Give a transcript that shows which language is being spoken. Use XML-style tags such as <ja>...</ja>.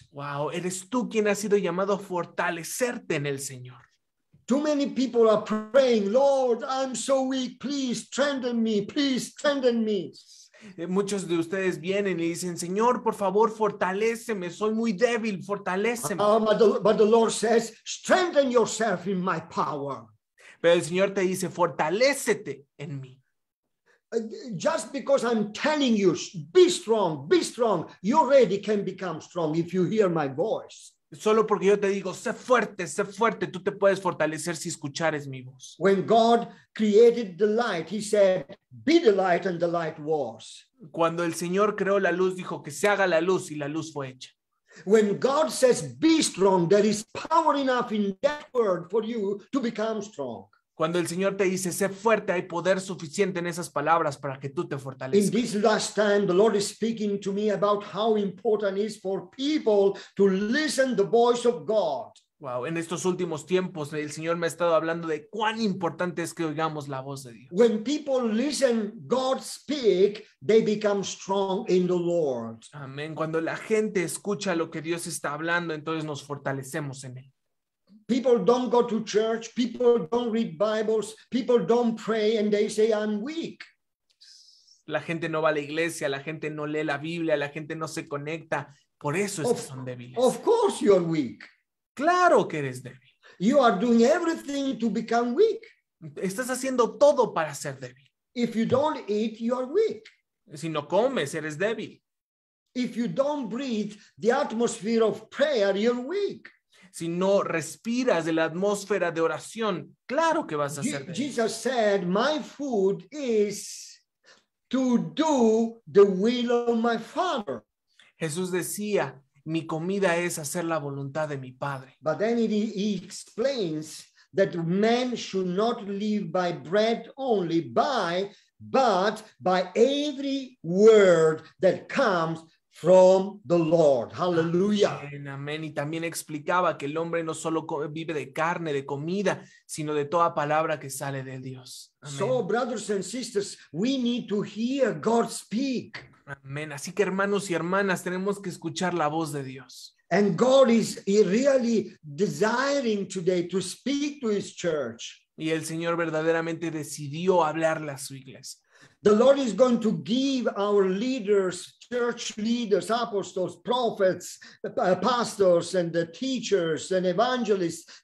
<en>Wow.</en> <es>Eres tú quien ha sido llamado a fortalecerte en el Señor.</es> <en>Too many people are praying, Lord, I'm so weak. Please strengthen me. Please strengthen me.</en> <es>Muchos de ustedes vienen y dicen, Señor, por favor, fortaléceme, soy muy débil, fortaléceme.</es> <en>But the Lord says, strengthen yourself in my power.</en> <es>Pero el Señor te dice, fortalécete en mí.</es> <en>Just because I'm telling you, be strong, you already can become strong if you hear my voice.</en> <es>Solo porque yo te digo, sé fuerte, tú te puedes fortalecer si escuchares mi voz.</es> <en>When God created the light, he said, be the light, and the light was.</en> <es>Cuando el Señor creó la luz, dijo que se haga la luz, y la luz fue hecha.</es> <en>When God says, be strong, there is power enough in that word for you to become strong.</en> <es>Cuando el Señor te dice, sé fuerte, hay poder suficiente en esas palabras para que tú te fortalezcas.</es> <en>In this last time, the Lord is speaking to me about how important it is for people to listen to the voice of God.</en> <es>Wow, en estos últimos tiempos, el Señor me ha estado hablando de cuán importante es que oigamos la voz de Dios.</es> <en>When people listen God speak, they become strong in the Lord.</en> <es>Amén. Cuando la gente escucha lo que Dios está hablando, entonces nos fortalecemos en él.</es> <en>People don't go to church, people don't read Bibles, people don't pray, and they say, I'm weak.</en> <es>La gente no va a la iglesia, la gente no lee la Biblia, la gente no se conecta. Por eso es que son débiles.</es> <en>Of course you're weak.</en> <es>Claro que eres débil.</es> <en>You are doing everything to become weak.</en> <es>Estás haciendo todo para ser débil.</es> <en>If you don't eat, you are weak.</en> <es>Si no comes, eres débil.</es> <en>If you don't breathe the atmosphere of prayer, you're weak.</en> <es>Si no respiras de la atmósfera de oración, claro que vas a ser débil.</es> <en>Jesus said, my food is to do the will of my Father.</en> <es>Jesús decía, mi comida es hacer la voluntad de mi Padre.</es> <en>But then he explains that man should not live by bread only, but by every word that comes from the Lord. Hallelujah.</en> <es>Amen, amen. Y también explicaba que el hombre no solo vive de carne, de comida, sino de toda palabra que sale de Dios.</es> <en>Amen. So, brothers and sisters, we need to hear God speak. Amen.</en> <es>Así que, hermanos y hermanas, tenemos que escuchar la voz de Dios.</es> <en>And God is really desiring today to speak to his church.</en> <es>Y el Señor verdaderamente decidió hablarle a su iglesia.</es> <en>The Lord is going to give our leaders, church leaders, apostles, prophets, pastors, and the teachers and evangelists.</en>